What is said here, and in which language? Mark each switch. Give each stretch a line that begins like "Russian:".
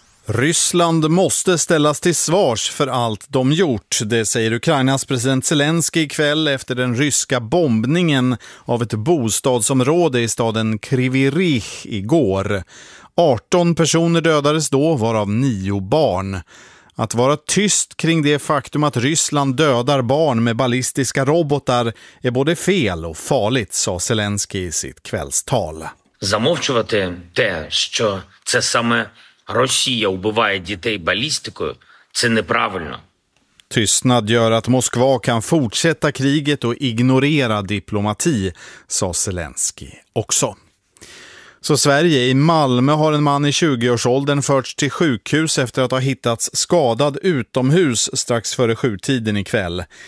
Swedish: Ryssland måste ställas till svars för allt de gjort, det säger Ukrainas president Zelensky ikväll efter den ryska bombningen av ett bostadsområde i staden Kryvyi Rih igår. 18 personer dödades då, varav 9 barn. Att vara tyst kring det faktum att Ryssland dödar barn med ballistiska robotar är både fel och farligt, sa Zelensky i sitt kvällstal.
Ukrainian: Замовчувати те, що це саме Росія убиває дітей балістикою, це неправильно.
Swedish: Tystnad gör att Moskva kan fortsätta kriget och ignorera diplomati, sa Zelensky också. Så Sverige, i Malmö har en man i 20-årsåldern förts till sjukhus efter att ha hittats skadad utomhus strax före 7-tiden ikväll.